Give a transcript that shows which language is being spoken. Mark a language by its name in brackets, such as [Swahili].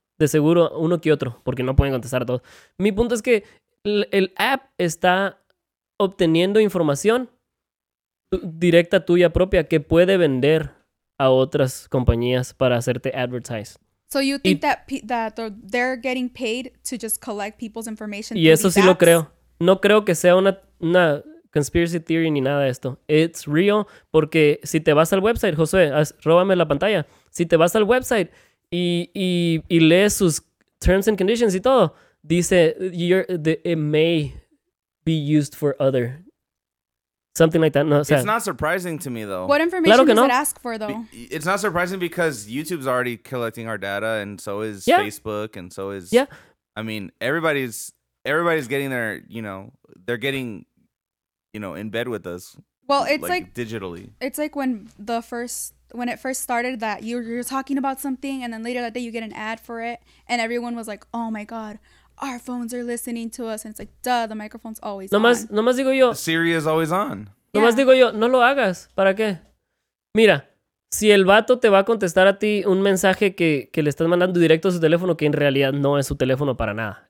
[Spanish] De seguro, uno que otro, porque no pueden contestar a todos. Mi punto es que el app está obteniendo información directa tuya propia que puede vender a otras compañías para hacerte advertise. [English] So you think that they're getting paid to just collect people's information? [Spanish] Y eso sí lo creo. No creo que sea una [English] conspiracy theory [Spanish] ni nada de esto. [English] It's real, [Spanish] porque si te vas al website, José, róbame la pantalla. Si te vas al website y lees sus terms and conditions y todo, dice, [English] it may be used for other, something like that. [Spanish] No, [English] it's sad. Not surprising to me, though. What information [Spanish] claro [English] does [Spanish] no. [English] it ask for, though? It's not surprising because YouTube's already collecting our data, and so is yeah. Facebook, and so is, yeah. I mean, everybody's getting their, you know, they're getting, you know, in bed with us. Well, it's like digitally. It's like when it first started that you're talking about something and then later that day you get an ad for it and everyone was like, oh my God, our phones are listening to us. And it's like, duh, the microphone's always [Spanish] nomás, [English] on. [Spanish] Nomás digo yo. [English] Siri is always on. [Spanish] Nomás yeah. digo yo, no lo hagas. ¿Para qué? Mira, si el vato te va a contestar a ti un mensaje que le estás mandando directo a su teléfono, que en realidad no es su teléfono para nada.